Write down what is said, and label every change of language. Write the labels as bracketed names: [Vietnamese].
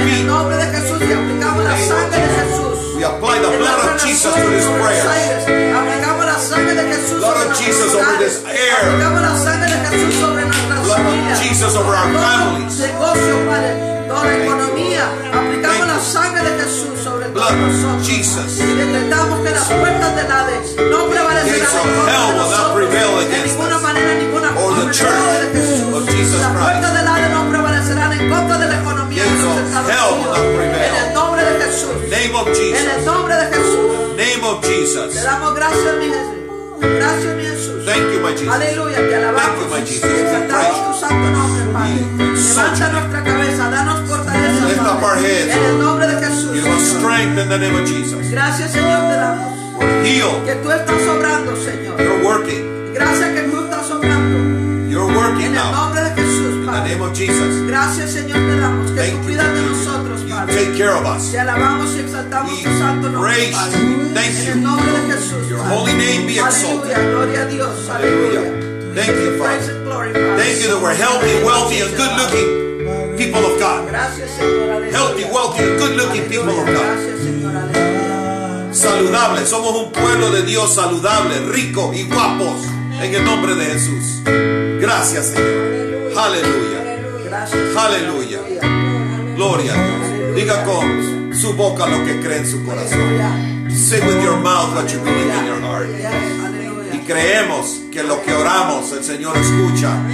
[Spanish] En el nombre de Jesús, y aplicamos la sangre de Jesús. [English] We apply the blood of Jesus to this prayer. [Spanish] Aplicamos la sangre de Jesús. [English] Blood of Jesus over this air. [Spanish] Aplicamos la sangre de Jesús sobre nuestras familias. [English] Blood of Jesus over our families. [Spanish] Negocio, Padre. Toda economía. Aplicamos la sangre de Jesús sobre todos nosotros. [English] Blood of Jesus. [Spanish] Y decretamos que las puertas de Hades no prevalecerán en contra de nosotros. [English] Gates of hell will not prevail against us. [Spanish] De ninguna manera, ninguna forma. [English] Or the Church of Jesus Christ. [Spanish] Las puertas de Hades no prevalecerán en contra de la economía. [English] Gates of hell will not prevail. Name of Jesus. [Spanish] En el nombre de Jesús. [English] Name of Jesus. [Spanish] Te damos gracias, mi Jesús. Gracias, mi Jesús. [English] Thank you, my Jesus. [Spanish] Aleluya, te alabamos. [English] Thank you, my Jesus. [Spanish] Exaltamos tu santo nombre, Padre. Levanta nuestra cabeza, danos fortaleza. [English] Lift up our heads. [Spanish] En el nombre de Jesús. [English] Give us strength in the name of Jesus. [Spanish] Gracias, Señor, te damos. [English] We're healed. [Spanish] Que tú estás obrando, Señor. [English] You're working. [Spanish] Gracias que tú estás obrando. [English] You're working now. [Spanish] En el nombre de Jesús, Padre. [English] In the name of Jesus. [Spanish] Gracias, Señor, te damos. Que tú cuidas de nosotros. [English] Take care of us. [Spanish] Te alabamos y exaltamos tu santo nombre. [English] Thank you. [Spanish] En el nombre de Jesús. [English] Your holy name be exalted. [Spanish] Gloria a Dios. [English] Aleluya. Thank you, Father. Thank you that we're healthy, wealthy, and good-looking people of God. [Spanish] Gracias, Señor. [English] Healthy, wealthy, and good-looking people of God. [Spanish] Saludable. Somos un pueblo de Dios saludable, rico y guapos. En el nombre de Jesús. Gracias, Señor. Aleluya. Gracias, Señor. gracias. Aleluya. Gloria a Dios. Diga con su boca lo que cree en su corazón. [English] Say with your mouth what you believe in your heart. [Spanish] Y creemos que lo que oramos el Señor escucha.